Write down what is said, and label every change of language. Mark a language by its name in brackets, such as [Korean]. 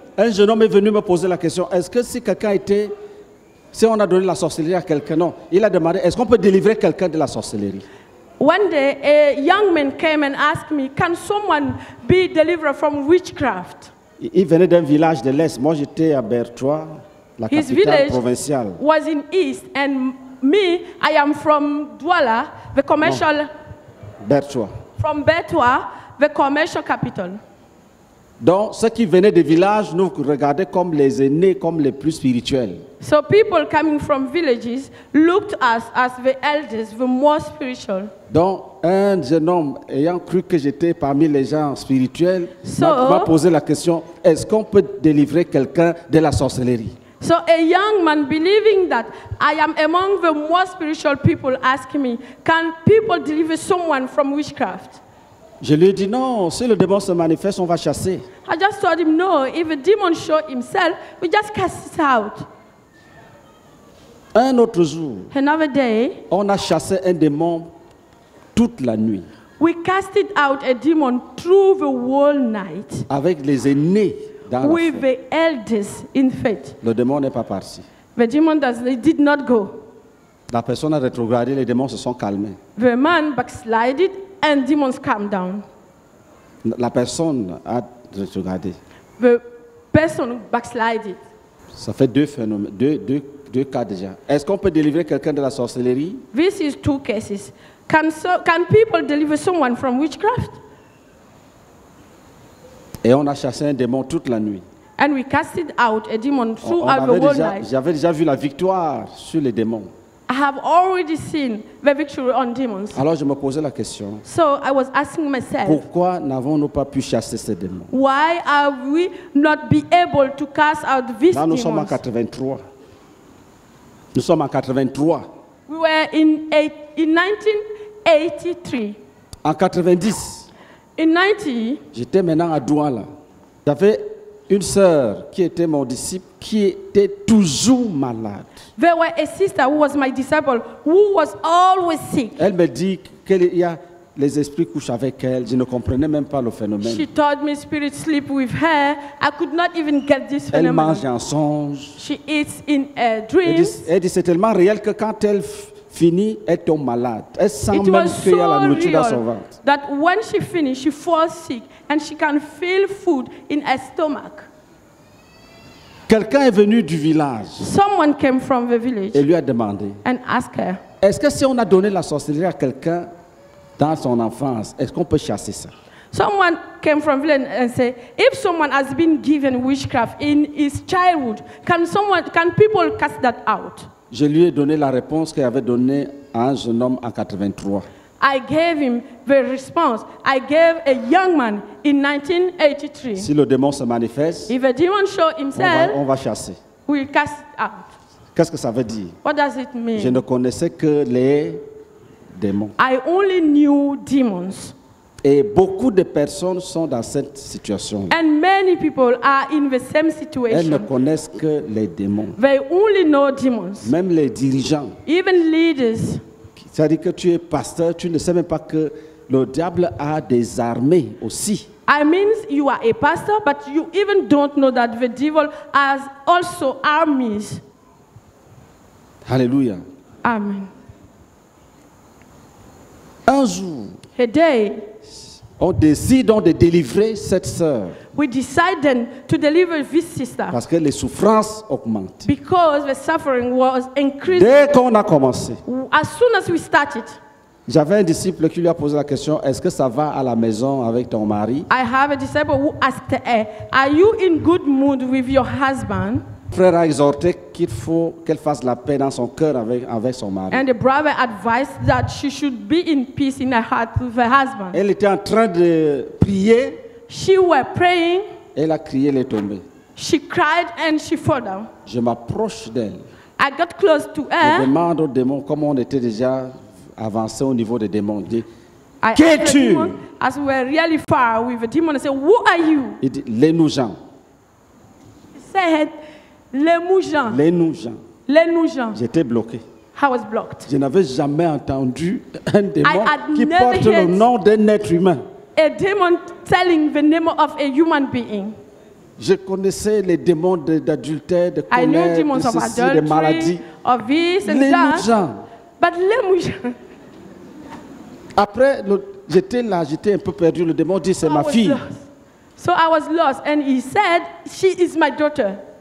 [French] Un jeune homme est venu me poser la question, est-ce que si quelqu'un était, si on a donné la sorcellerie à quelqu'un, non, il a demandé, est-ce qu'on peut délivrer quelqu'un de la sorcellerie? [English] One day, a young man came and asked me, can someone be delivered from witchcraft? [French] Il venait d'un village de l'Est, moi j'étais à Bertois, la [English] His [French] capitale provinciale. [English] His village was in East, and me, I am from Douala, the commercial... [French] Non. Bertois. [English] From Bertois, the commercial capital. [French] Donc, ceux qui venaient des villages nous regardaient comme les aînés, comme les plus spirituels. [English] So people coming from villages looked us as the elders, the more spiritual. [French] Donc, un jeune homme ayant cru que j'étais parmi les gens spirituels m'a posé la question, est-ce qu'on peut délivrer quelqu'un de la sorcellerie? [English] So a young man believing that I am among the more spiritual people asked me, can people deliver someone from witchcraft? [French] Je lui ai dit non, si le démon se manifeste, on va chasser. [English] I just told him no, if a demon show himself, we just cast it out. [French] Un autre jour, [English] another day, [French] on a chassé un démon toute la nuit. [English] We cast it out a demon through the whole night. [French] Avec les aînés dans [English] with [French] la foi. [English] The elders in faith. [French] Le démon n'est pas parti. [English] The demon did not go. [French] La personne a rétrogradé, les démons se sont calmés. [English] The man backslided. And demons calm down. [French] La personne a regardé. [English] The person backslided. [French] Ça fait deux phénomènes, deux cas déjà. Est-ce qu'on peut délivrer quelqu'un de la sorcellerie? [English] This is two cases. Can people deliver someone from witchcraft? [French] Et on a chassé un démon toute la nuit. [English] And we casted out a demon throughout the whole night. [French] J'avais déjà vu la victoire sur les démons. [English] I have already seen the victory on demons. [French] Alors je me posais la question. [English] So I was asking myself. [French] Pourquoi n'avons-nous pas pu chasser ces démons? [English] Why have we not been able to cast out these demons? [French] Là nous sommes en 83. Nous sommes en 83. [English] We were in 1983. [French] En 90. [English] In 90. [French] J'étais maintenant à Douala. J'avais une sœur qui était mon disciple qui était toujours malade. [English] There was a sister who was my disciple who was always sick. [French] Elle me dit qu'elle y a les esprits couchent avec elle, je ne comprenais même pas le phénomène. [English] She told me spirits sleep with her. I could not even get this phenomenon. [French] Elle mange en songe. [English] She eats in a dream. [French] Elle dit c'est tellement réel que quand elle finit, elle tombe malade. Elle sent [English] it [French] même qu'il y a la nourriture [English] real, [French] dans son ventre. [English] That when she finished, she falls sick and she can feel food in her stomach. [French] Quelqu'un est venu du village. [English] Someone came from the village. [French] Et lui a demandé. [English] And asked her. [French] Est-ce que si on a donné la sorcellerie à quelqu'un dans son enfance, est-ce qu'on peut chasser ça? [English] Someone came from village and said, if someone has been given witchcraft in his childhood, can people cast that out? [French] Je lui ai donné la réponse qu'il avait donnée à un jeune homme en 83. [English] I gave him the response I gave a young man in 1983. [French] Si le démon se manifeste, [English] if a demon show himself, [French] on va chasser. [English] We cast out. [French] Qu'est-ce que ça veut dire? [English] What does it mean? [French] Je ne connaissais que les démons. [English] I only knew demons. [French] Et beaucoup de personnes sont dans cette situation. [English] And many people are in the same situation. [French] Elles ne connaissent que les démons. [English] They only know demons. [French] Même les dirigeants. [English] Even leaders. [French] C'est-à-dire que tu es pasteur, tu ne sais même pas que le diable a des armées aussi. [English] I mean you are a pastor, but you even don't know that the devil has also armies. Hallelujah. Amen. [French] Un jour, [English] a day, [French] on décide de délivrer cette sœur. [English] We decided to deliver this sister. [French] Parce que les souffrances augmentent. [English] Because the suffering was increasing. [French] Dès qu'on a commencé. [English] As soon as we started. [French] J'avais un disciple qui lui a posé la question, est-ce que ça va à la maison avec ton mari? [English] I have a disciple who asked her, are you in good mood with your husband? [French] Frère a exhorté qu'il faut qu'elle fasse la paix dans son cœur avec son mari. [English] And the brother advised that she should be in peace in her heart with her husband. [French] Elle était en train de prier. [English] She was praying. [French] Elle a crié, elle est tombée. [English] She cried and she fell down. [French] Je m'approche d'elle. [English] I got close to her. [French] Je demande au démon, comme on était déjà avancé au niveau des démons. Qui es-tu? [English] As we were really far with the demon, I said, who are you? [French] Il dit, les nougeants. [English] He said, les nougeants. [French] Les nougeants. [English] Les nougeants. [French] J'étais bloqué. [English] I was blocked. [French] Je n'avais jamais entendu un démon qui porte le nom d'un être humain. [English] A demon telling the name of a human being. [French] Je connaissais les démons d'adultère, de colère, de ceci, [English] adultery, [French] de maladies. [English] Of this and [French] les [English] that. [French] Nougeants. [English] But les nougeants. [French] Après, j'étais là, j'étais un peu perdu. Le démon dit, c'est [English] I [French] ma fille. [English] Lost. So I was lost and he said, she is my daughter.